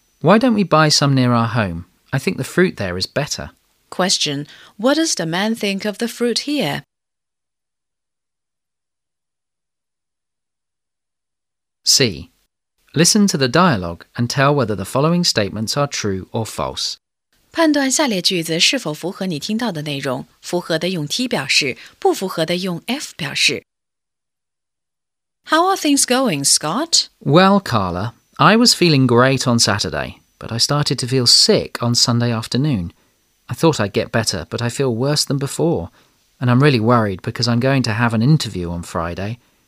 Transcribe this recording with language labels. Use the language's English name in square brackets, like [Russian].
[English] Why don't we buy some near our home? I think the fruit there is better. Question, what does the man think of the fruit here? 4. Listen to the dialogue and tell whether the following statements are true or false. [Chinese] 判断下列句子是否符合你听到的内容，符合的用 T 表示，不符合的用 F 表示。 [English] How are things going, Scott? Well, Carla, I was feeling great on Saturday, but I started to feel sick on Sunday afternoon. I thought I'd get better, but I feel worse than before. And I'm really worried because I'm going to have an interview on Friday.